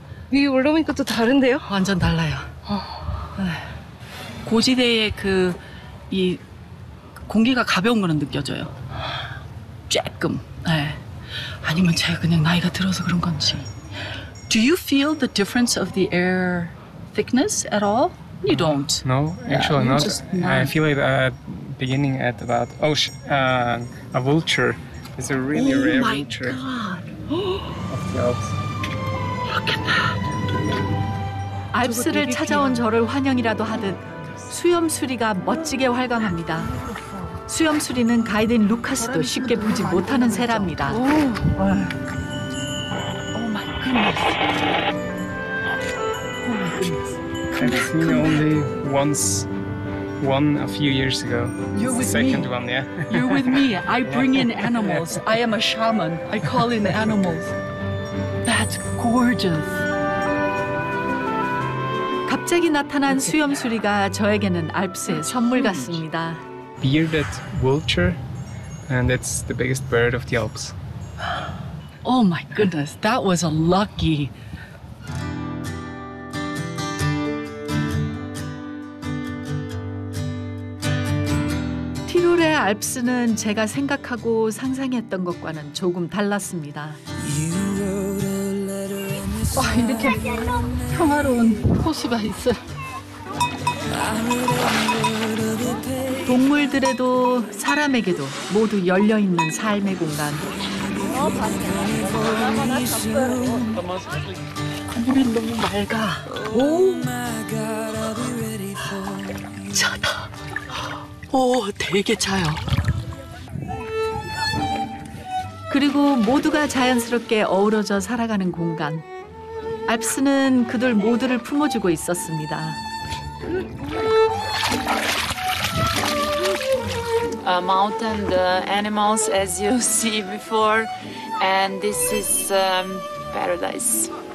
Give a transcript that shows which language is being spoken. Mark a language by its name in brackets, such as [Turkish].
[Korean] 위 올라오니까 또 다른데요? 완전 달라요. 고지대의 그 이 공기가 가벼운 거는 느껴져요. 조금. 네. 아니면 제가 그냥 나이가 들어서 그런 건지. [English] Do you feel the difference of the air thickness at all? You don't. No, actually not. Just, I feel it at beginning at about a vulture. It's a really rare vulture. Oh my god. Of the Alps. Look at that. [Korean] 알프스를 찾아온 저를 환영이라도 하듯 수염수리가 멋지게 활강합니다. 수염수리는 가이드인 루카스도 쉽게 보지 못하는 새랍니다. [English] 오 마이 굿니스. 오 마이 굿니스. I've seen only once, one a few years ago. You're with me. Second one, yeah. You're with me. I bring in animals. I am a shaman. I call in animals. That's gorgeous. [Korean] 갑자기 나타난 수염수리가 저에게는 알프스의 선물 같습니다. [English] Bearded vulture, and it's the biggest bird of the Alps. Oh my goodness, that was a lucky. [Korean] Tirol의 알프스는 제가 생각하고 상상했던 것과는 조금 달랐습니다. 와, 이렇게 평화로운 호수가 있어요. 동물들에도 사람에게도 모두 열려있는 삶의 공간. 물이 너무 맑아. 오. 차다. 오, 되게 차요. 그리고 모두가 자연스럽게 어우러져 살아가는 공간. 알프스는 그들 모두를 품어주고 있었습니다. [English] 아, mountain, the animals as you see before, and this is paradise.